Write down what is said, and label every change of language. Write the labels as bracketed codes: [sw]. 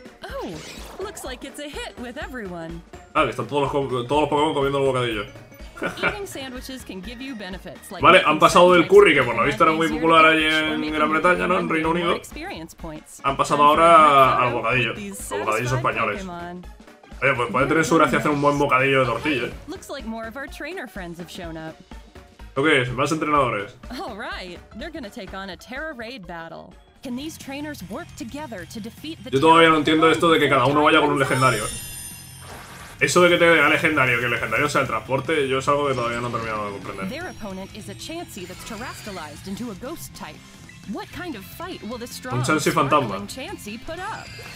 [en] Oh, looks like it's a hit with everyone. [es] Ah, que están todos los Pokémon comiendo el bocadillo. Vale, han pasado del curry, que por lo visto era muy popular allí en Gran Bretaña, ¿no? En Reino Unido. Han pasado ahora al bocadillo. Los bocadillos españoles. Oye, pues puede tener su gracia hacer un buen bocadillo de tortilla, ¿eh? ¿Tú qué es? ¿Más entrenadores? Yo todavía no entiendo esto de que cada uno vaya con un legendario. Eso de que te vea legendario, que el legendario sea el transporte, yo es algo que todavía no he terminado de comprender. [en] Their opponent is a Chansey that's terrestrialized into a ghost type. What kind of fight will the strong Chansey fantasma Chansey put up?